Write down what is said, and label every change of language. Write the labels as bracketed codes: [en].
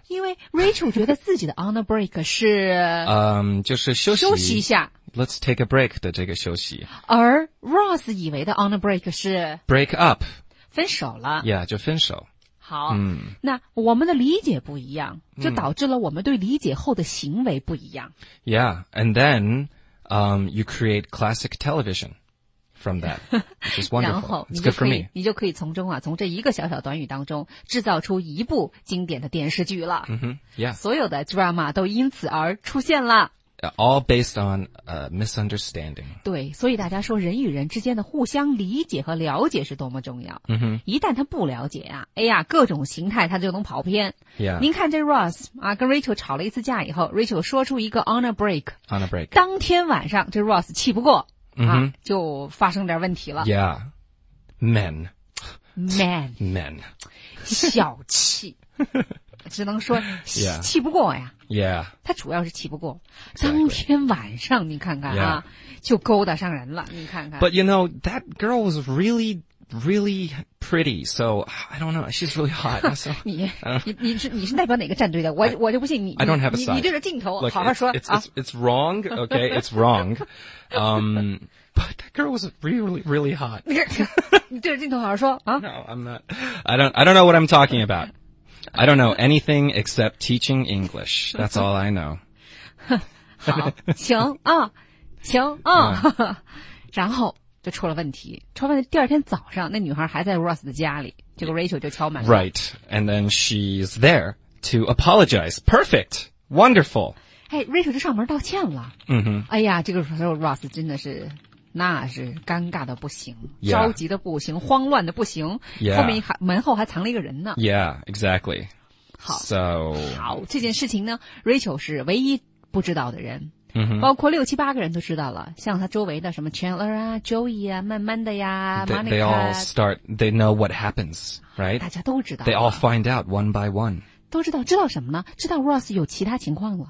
[zh] 因为 Rachel 觉得自己的 [en] on a break [zh] 是就是休息一下。 [en] Let's take a break [zh] 的这个休息。而 Ross 以为的 [en] on a break [zh] 是 [en] break up。 [zh] 分手了。 Yeah, 就分手。好、那我们的理解不一样就导致了我们对理解后的行为不一样。 [en] Yeah, and then,you create classic television from that, which is wonderful. [zh] 然后 [en] It's good for me. [zh] 你就可以从中啊，从这一个小小短语当中制造出一部经典的电视剧了。 [en] Mm-hmm. Yeah. [zh] 所有的 drama 都因此而出现了。 [en] All based on a misunderstanding. [zh] 对，所以大家说人与人之间的互相理解和了解是多么重要。 Mm-hmm. 一旦他不了解啊，哎呀，各种形态他就能跑偏。 [en] Yeah. [zh] 您看这 Ross 啊，跟 Rachel 吵了一次架以后 ，Rachel 说出一个 [en] on a break。 On a break. [zh] 当天晚上，这 Ross 气不过、 mm-hmm. 啊，就发生点问题了。 [en] Yeah. Men. Men. Men. [zh] 小气。只能说、 [en] yeah. [zh] 气不过呀。 [en] Yeah. [zh] 他主要是气不过。 [en] Exactly. [zh] 当天晚上你看看啊、 [en] yeah. [zh] 就勾搭上人了你看看。 [en] But you know, that girl was really, really pretty, so, I don't know, she's really hot. So, [zh] 你是代表哪个战队的我就不信你。 [en] I don't have a side. [zh] 你对着镜头 [en] Look, [zh] 好好说。 [en] It's wrong, okay, it's wrong. But that girl was really, really hot. [zh] 你对着镜头好好说啊。 [en] No, I'm not. I don't know what I'm talking about. I don't know anything except teaching English. That's all I know. [zh] 好行啊、哦、行啊、哦、然后就出了问题。出了问题第二天早上那女孩还在 Ross 的家里这个 Rachel 就敲门了。 [en] Right, and then she's there to apologize. Perfect, wonderful. [zh] 哎 ,Rachel 就上门道歉了。嗯、mm-hmm. 哎呀这个时候 Ross 真的是那是尴尬的不行、 [en] yeah. [zh] 着急的不行慌乱的不行、 [en] yeah. [zh] 后面还门后还藏了一个人呢。 [en] Yeah, exactly. [zh] 好 [en] So, [zh] 好这件事情呢 ,Rachel 是唯一不知道的人。 Mm-hmm. 包括六七八个人都知道了像他周围的什么 Chandler 啊 ,Joey 啊慢慢的呀 Monica。 [en] They all start, they know what happens, right? [zh] 大家都知道。 [en] They all find out one by one. [zh] 都知道知道什么呢知道 Ross 有其他情况了。